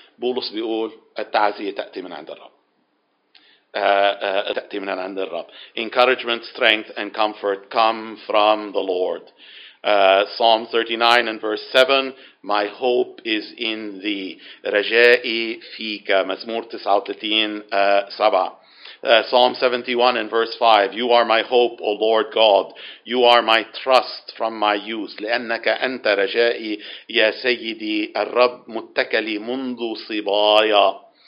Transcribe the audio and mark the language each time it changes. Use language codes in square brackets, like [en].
[ar] بولس بيقول التعزية تأتي من عند الرب. تأتي من عند الرب. [en] Encouragement, strength and comfort come from the Lord. Psalm 39 and verse 7, my hope is in thee. [ar] رجائي فيك. مزمور 39:7. [en] Psalm 71 and verse 5, you are my hope, O Lord God. You are my trust from my youth. [ar] لأنك أنت رجائي يا سيدي الرب متكلي منذ صبايا.